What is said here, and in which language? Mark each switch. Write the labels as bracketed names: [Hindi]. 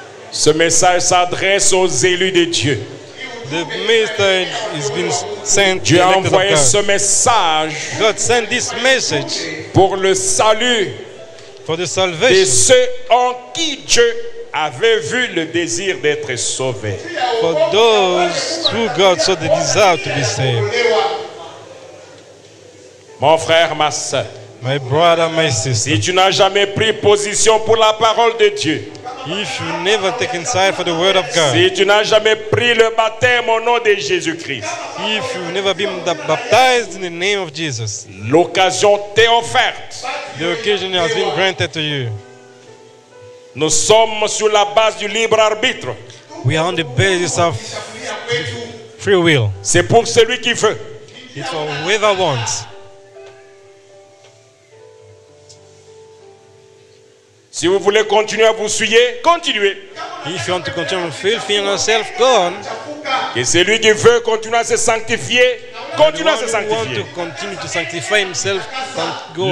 [French] Ce message s'adresse aux élus de Dieu. [English] The message has been sent. [French] Dieu a envoyé ce message. [English] God sent this message [French] pour le salut. [English] For the salvation. [French] De ceux en qui Dieu avait vu le désir d'être sauvé. [English] For those who God saw the desire to be saved. [French] Mon frère, ma sœur. [English] My brother, my sister. [French] Si tu n'as jamais pris position pour la parole de Dieu. [English] If you never taken side for the word of God. [French] Si tu n'as jamais pris le baptême au nom de Jésus-Christ. [English] If you never been baptized in the name of Jesus. [French] L'occasion t'est offerte. [English] The occasion has been granted to you. [French] Nous sommes sur la base du libre arbitre. [English] We are on the basis of free will. [French] C'est pour celui qui veut. [English] It's for whoever wants. [French] Si vous voulez continuer à vous souiller, continuez. [English] If you want to continue to fulfill yourself, go on. [French] Et celui qui veut continuer à se sanctifier, continue à se sanctifier. [English] Want to continue to sanctify himself, go.